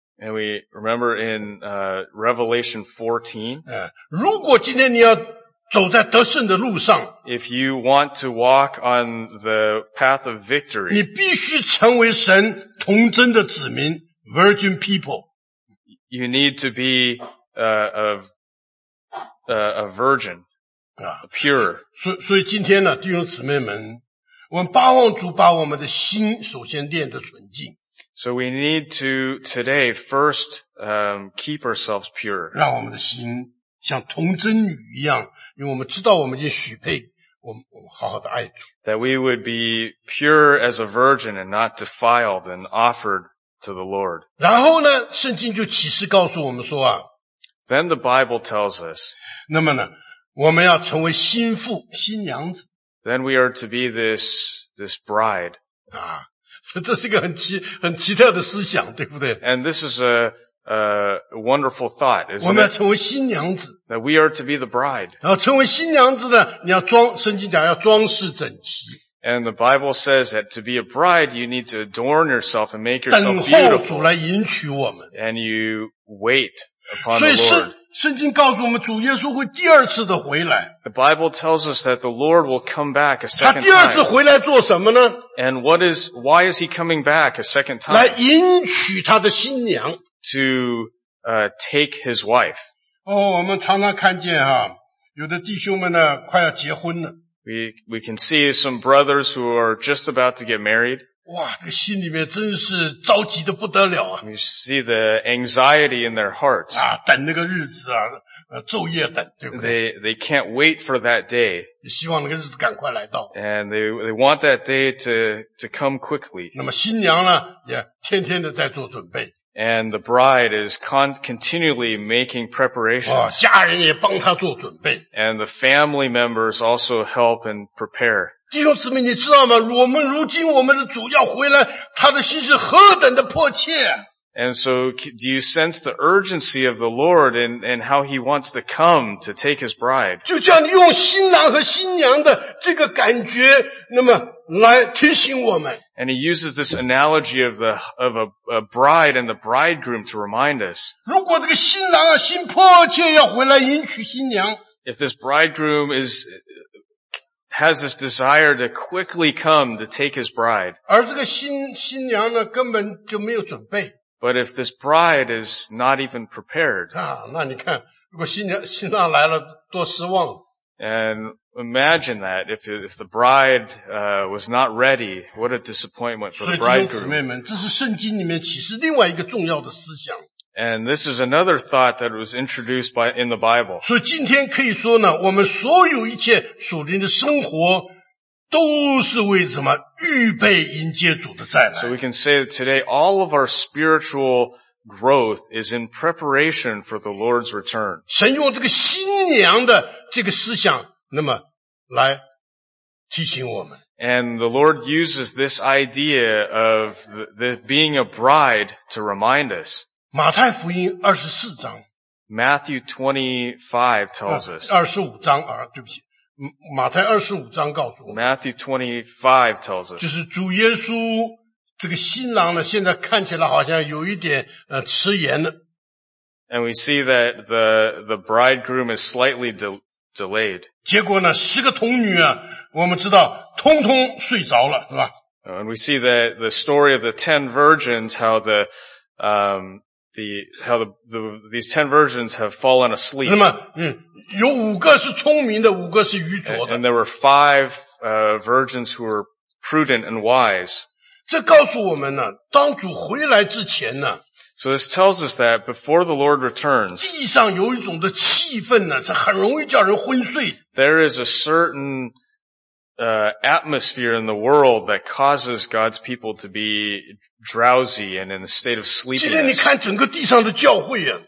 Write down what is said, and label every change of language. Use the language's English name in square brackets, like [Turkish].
[English] and we remember in Revelation 14, [Chinese] 如果今天你要走在得胜的路上, [English] if you want to walk on the path of victory, [Chinese] 你必须成为神童真的子民, [English] virgin people. You need to be a virgin, pure. [Chinese] 所以今天呢, 弟兄姊妹们, 我们巴望主把我们的心首先练得纯净。 [English] So we need to today first, keep ourselves pure. [Chinese] 让我们的心像童贞女一样，因为我们知道我们已经许配，我们好好的爱主。 [English] That we would be pure as a virgin and not defiled and offered to the Lord. [Chinese] 然后呢，圣经就启示告诉我们说啊。 [English] Then the Bible tells us. [Chinese] 那么呢，我们要成为新妇、新娘子。 [English] Then we are to be this bride. 啊。 [Chinese] 这是一个很奇特的思想，对不对？ [English] And this is a wonderful thought, isn't it? [Chinese] 我们要成为新娘子。 [English] That we are to be the bride. [Chinese] 然后成为新娘子呢，你要装，圣经讲要装饰整齐。 [English] And the Bible says that to be a bride, you need to adorn yourself and make yourself beautiful. [Chinese] 等候主来迎娶我们。 [English] And you wait upon the Lord. [Chinese] 所以圣经告诉我们主耶稣会第二次的回来。 [English] The Bible tells us that the Lord will come back a second time. [Chinese] 他第二次回来做什么呢？ [English] And why is he coming back a second time? [Chinese] 来迎娶他的新娘。 [English] To, take his wife. [Chinese] 哦，我们常常看见啊，有的弟兄们呢，快要结婚了。 [English] We can see some brothers who are just about to get married. [Chinese] 哇，这个心里面真是着急得不得了啊。 [English] You see the anxiety in their hearts. [Chinese] 啊，等那个日子啊，昼夜等，对不对？ [English] They can't wait for that day. [Chinese] 希望那个日子赶快来到。 [English] And they want that day to come quickly. [Chinese] 那么新娘呢，也天天的在做准备。 [English] And the bride is continually making preparations. [Chinese] 哇，家人也帮她做准备。 [English] And the family members also help and prepare. [Chinese] 弟兄姊妹，你知道吗？我们如今我们的主要回来，他的心是何等的迫切。 [English] And so, do you sense the urgency of the Lord and how he wants to come to take his bride? [Chinese] 就这样用新郎和新娘的这个感觉，那么来提醒我们。 [English] And he uses this analogy of a bride and the bridegroom to remind us. [Chinese] 如果这个新郎啊，心迫切要回来迎娶新娘。 [English] If this bridegroom has this desire to quickly come to take his bride. [Chinese] 而这个新娘呢，根本就没有准备。 [English] But if this bride is not even prepared. [Chinese] 啊，那你看，如果新郎来了，多失望。 [English] And imagine that, if the bride, was not ready, what a disappointment for the bridegroom. [Chinese] 所以弟兄姊妹们，这是圣经里面启示另外一个重要的思想。 [English] And this is another thought that was introduced in the Bible. [Chinese] 所以今天可以说呢，我们所有一切属灵的生活都是为什么预备迎接主的再来。 [English] So we can say that today all of our spiritual growth is in preparation for the Lord's return. [Chinese] 神用这个新娘的这个思想，那么来提醒我们。 [English] And the Lord uses this idea of the being a bride to remind us. [Chinese] 马太福音24章。 [English] Matthew 25 tells us. [Chinese] 25章啊，对不起。马太25章告诉我们。 [English] Matthew 25 tells us. [Chinese] 就是主耶稣这个新郎呢，现在看起来好像有一点迟延了。 [English] And we see that the bridegroom is slightly delayed. [Chinese] 结果呢，十个童女啊，我们知道通通睡着了，是吧？ [English] And we see that the story of the 10 virgins, how these 10 virgins have fallen asleep. [Chinese] 那么，有五个是聪明的，五个是愚拙的。 [English] And there were five virgins who were prudent and wise. [Chinese] 这告诉我们呢，当主回来之前呢。 [English] So this tells us that before the Lord returns, [Chinese] 地上有一种的气氛呢，是很容易叫人昏睡。 [English] There is a certain atmosphere in the world that causes God's people to be drowsy and in a state of sleepiness. [Chinese] 今天你看整个地上的教会啊。